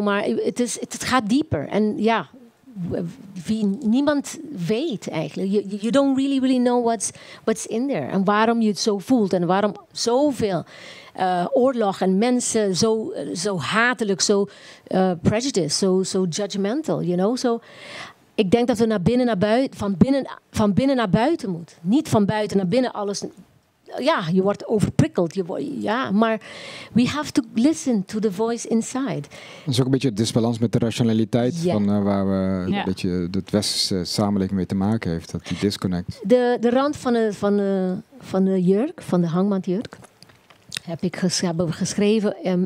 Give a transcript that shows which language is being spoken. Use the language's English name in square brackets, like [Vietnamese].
[Dutch] Maar het gaat dieper. En ja, niemand weet eigenlijk. [English] You don't really, really know what's in there. [Dutch] En waarom je het zo voelt. En waarom zoveel oorlog en mensen zo hatelijk, zo prejudiced, zo judgmental. [English] You know? [Dutch] So, ik denk dat we naar binnen naar buiten, van binnen naar buiten moeten. Niet van buiten naar binnen alles. Ja, je wordt overprikkeld. Maar [English] we have to listen to the voice inside. [Dutch] Dat is ook een beetje het disbalans met de rationaliteit. [English] Yeah. [Dutch] Van waar we een beetje het westerse samenleving mee te maken heeft. Dat die disconnect. De rand van de jurk, van de hangmandjurk, hebben we geschreven.